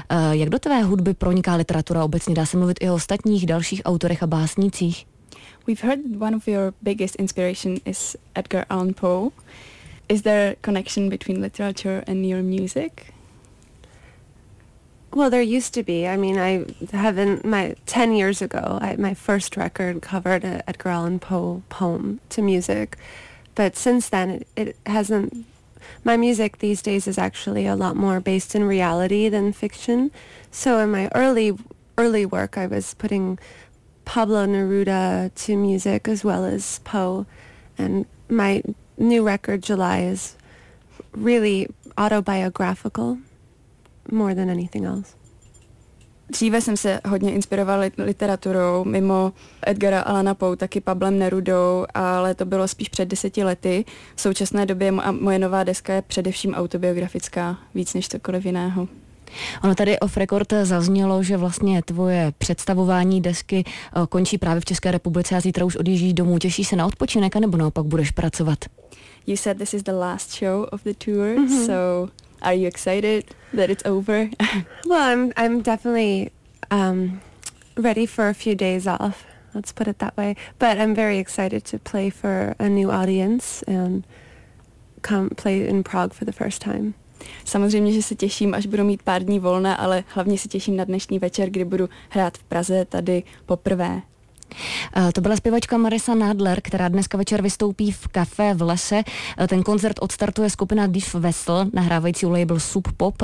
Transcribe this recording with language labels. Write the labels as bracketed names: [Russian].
[Czech] Jak do tvé hudby proniká literatura obecně? Dá se mluvit i o ostatních dalších autorech a básnících? [English] We've heard one of your biggest inspiration is Edgar Allan Poe. Is there a connection between literature and your music? Well, there used to be. I mean, I haven't, my 10 years ago, my first record covered an Edgar Allan Poe poem to music. But since then, it hasn't, my music these days is actually a lot more based in reality than fiction. So in my early work, I was putting Pablo Neruda to music as well as Poe, and my new record, July, is really autobiographical more than anything else. [Czech] Dříve jsem se hodně inspirovala literaturou, mimo Edgara Allana Poe, taky Pablem Nerudou, ale to bylo spíš před 10 lety. V současné době moje nová deska je především autobiografická, víc než cokoliv jiného. Ono tady off record zaznělo, že vlastně tvoje představování desky končí právě v České republice a zítra už odjíždíš domů. Těšíš se na odpočinek, anebo naopak budeš pracovat? [English] You said this is the last show of the tour, mm-hmm. So are you excited that it's over? Well, I'm definitely ready for a few days off, let's put it that way. But I'm very excited to play for a new audience and come play in Prague for the first time. [Czech] Samozřejmě, že se těším, až budu mít pár dní volné, ale hlavně se těším na dnešní večer, kdy budu hrát v Praze tady poprvé. To byla zpěvačka Marisa Nadler, která dneska večer vystoupí v Kafe v lese. Ten koncert odstartuje skupina Dief Vessel, nahrávající u label Sub Pop.